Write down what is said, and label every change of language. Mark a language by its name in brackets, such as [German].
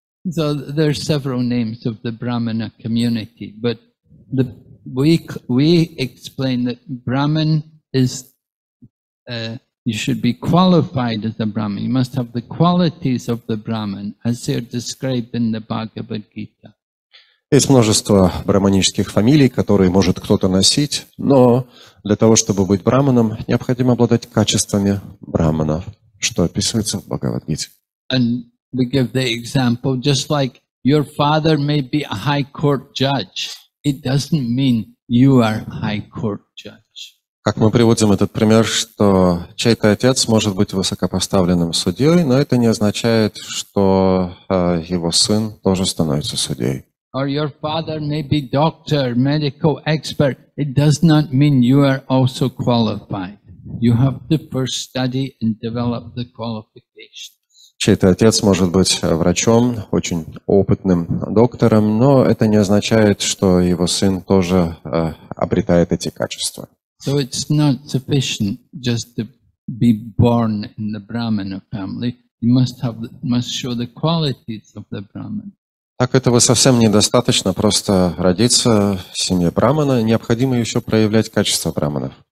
[English] So there are several names of the brahmana community, but we explain that brahman is you should be qualified as a Brahmin. You must have the qualities of the Brahmin, as they are described in the Bhagavad Gita. [Russian] Есть множество брахманических фамилий, которые может кто-то носить, но для того, чтобы быть брахманом, необходимо обладать качествами брахмана, что описывается в Бхагавад Гите. [English] And we give the example, just like your father may be a high court judge, it doesn't mean you are a high court judge. [Russian] Как мы приводим этот пример, что чей-то отец может быть высокопоставленным судьей, но это не означает, что его сын тоже становится судьей. [English] Or your father may be doctor, medical expert. It does not mean you are also qualified. You have to first study and develop the qualifications. [Russian] Чей-то отец может быть врачом, очень опытным доктором, но это не означает, что его сын тоже обретает эти качества. [English] So it's not sufficient just to be born in the brahmana family. You must show the qualities of the brahman. [Russian] Так этого совсем недостаточно просто родиться в семье брахмана. Необходимо еще проявлять качества брахманов.